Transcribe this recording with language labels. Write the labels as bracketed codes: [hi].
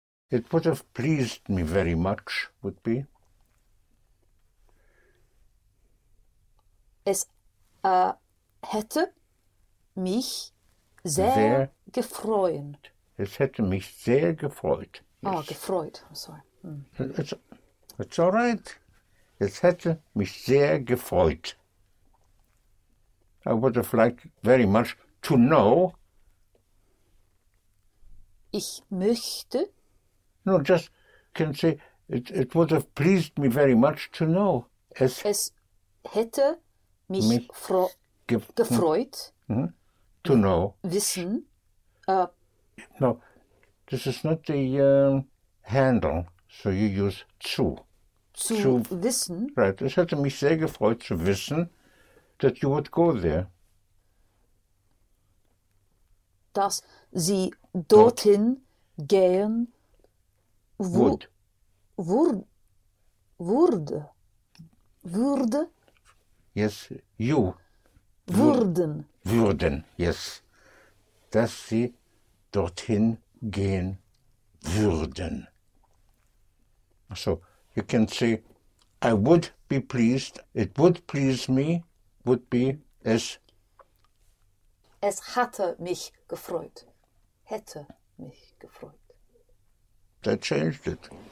[en] It would have pleased me very much, would be. [de] Es hätte mich sehr gefreut. Es hätte mich sehr gefreut. [en] Ah, gefreut. Sorry. It's all right. [de] Es hätte mich sehr gefreut. [en] I would have liked very much to know. [de] Ich möchte. [en] No, just can say it would have pleased me very much to know. [de] Es hätte mich gefreut. [en] To know. [de] Wissen. [en] No, this is not the handle, so you use zu. [de] Zu wissen. Right, es hätte mich sehr gefreut zu wissen, [en] that you would go there. [de] Dass Sie dorthin dort. Gehen würde. [en] Yes, you. [de] Würden. Würden, yes. Dass Sie dorthin gehen würden. [en] So, you can say, I would be pleased, it would please me, would be es. [de] Es hatte mich gefreut. Hätte mich gefreut. [en] That changed it.